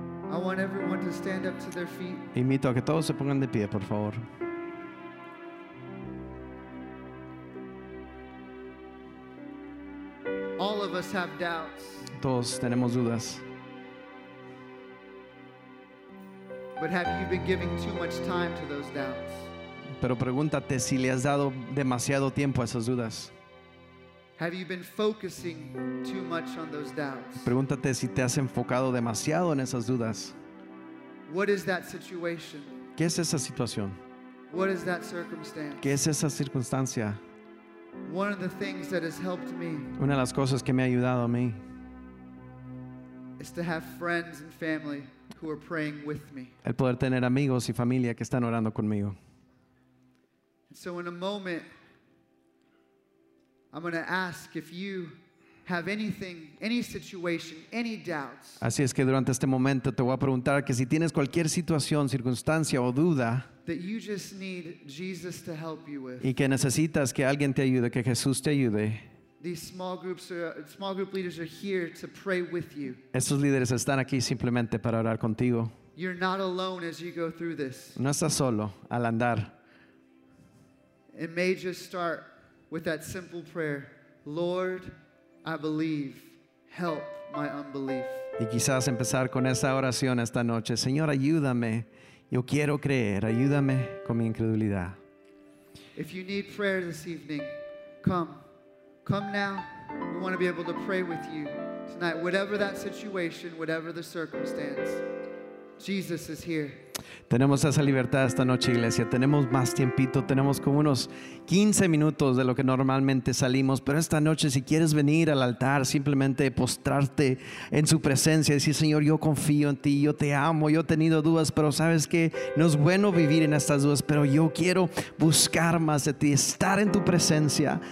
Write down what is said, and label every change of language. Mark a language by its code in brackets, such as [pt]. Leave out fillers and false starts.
[en] I want everyone to stand up to their feet. [es] Invito a que todos se pongan de pie, por favor. [en] All of us have doubts. [es] Todos tenemos dudas. [en] But have you been giving too much time to those doubts? [es] Pero pregúntate si le has dado demasiado tiempo a esas dudas. [en] Have you been focusing too much on those doubts? [es] Pregúntate si te has enfocado demasiado en esas dudas. [en] What is that situation? [es] ¿Qué es esa situación? [en] What is that circumstance? [es] ¿Qué es esa circunstancia? [en] One of the things that has helped me, [es] una de las cosas que me ha ayudado a mí, [en] is to have friends and family who are praying with me. [es] El poder tener amigos y familia que están orando conmigo. [en] So in a moment, I'm going to ask if you have anything, any situation, any doubts. [es] Así es que durante este momento te voy a preguntar que si tienes cualquier situación, circunstancia o duda, [en] that you just need Jesus to help you with. [es] Y que necesitas que alguien te ayude, que Jesús te ayude. [en] These small group leaders are here to pray with you. [es] Estos líderes están aquí simplemente para orar contigo. [en] You're not alone as you go through this. [es] No estás solo al andar. [en] It may just start with that simple prayer, Lord, I believe, help my unbelief. [es] Y quizás empezar con esa oración esta noche, Señor, ayúdame, yo quiero creer, ayúdame con mi incredulidad. [en] If you need prayer this evening, come now. We want to be able to pray with you tonight, whatever that situation, whatever the circumstance. Jesus is here. [es] Tenemos esa libertad esta noche, iglesia. Tenemos más tiempito, tenemos como unos 15 minutos de lo que normalmente salimos, pero esta noche si quieres venir al altar, simplemente postrarte en su presencia y decir, Señor, yo confío en ti, yo te amo, yo he tenido dudas, pero sabes que no es bueno vivir en estas dudas, pero yo quiero buscar más de ti, estar en tu presencia.